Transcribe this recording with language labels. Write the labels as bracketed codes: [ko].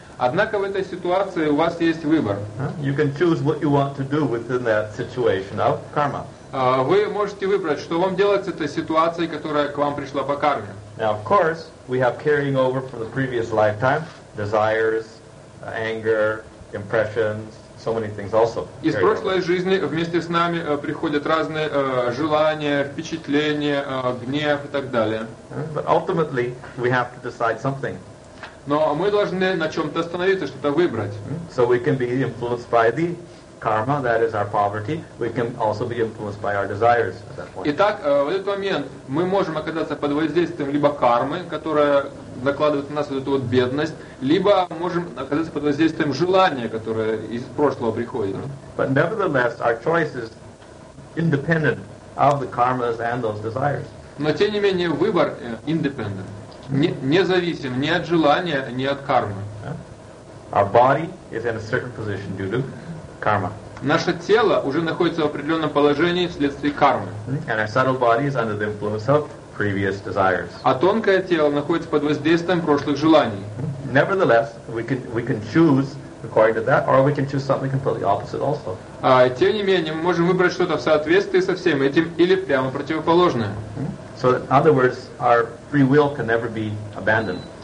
[ru] Однако в этой ситуации у вас есть выбор. [en] You can choose what you want to do within that situation of karma. [ru] Вы можете выбрать, что вам делать с этой ситуацией, которая к вам пришла по карме. [en] Now, of course, we have carrying over from the previous lifetime desires, anger, impressions, so many things also. [ru] Из прошлой жизни вместе с нами приходят разные желания, впечатления, гнев и так далее. [en] But ultimately, we have to decide something. [ru] Но мы должны на чем-то остановиться, что-то выбрать. [en] So we can be influenced by the karma, that is our poverty, we can also be influenced by our desires at that point. [ru] Итак, в этот момент мы можем оказаться под воздействием либо кармы, которая накладывает на нас вот эту вот бедность, либо можем оказаться под воздействием желания, которое из прошлого приходит. [en] But nevertheless, our choice is independent of the karmas and those desires. [ru] Но тем не менее выбор [en] independent, [ru] независим ни от желания, ни от кармы. [en] Our body is in a certain position due to karma. [ru] Наше тело уже находится в определенном положении вследствие кармы. [en] And our subtle body is under the influence of previous desires. [ru] А тонкое тело находится под воздействием прошлых желаний. [en] Nevertheless, we can choose according to that, or we can choose something completely opposite also. [ru] Тем не менее, мы можем выбрать что-то в соответствии со всем этим или прямо противоположное. [en] So in other words, our free will can never be abandoned.